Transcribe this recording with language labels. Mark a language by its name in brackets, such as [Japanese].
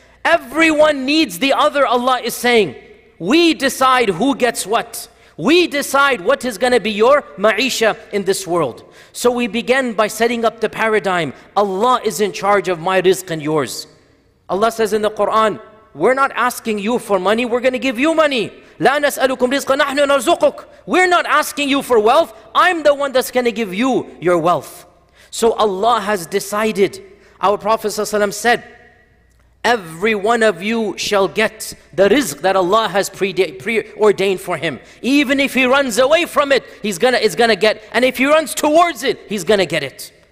[English] Everyone needs the other, Allah is saying. We decide who gets what. We decide what is going to be your ma'isha in this world. So we begin by setting up the paradigm. Allah is in charge of my rizq and yours. Allah says in the Quran, we're not asking you for money, we're going to give you money. [Arabic] لا نسألكم رزقا نحن نرزقك. [English] We're not asking you for wealth, I'm the one that's going to give you your wealth. So Allah has decided. Our Prophet ﷺ said, every one of you shall get the rizq that Allah has preordained for him. Even if he runs away from it, he's gonna get. And if he runs towards it, he's gonna get it.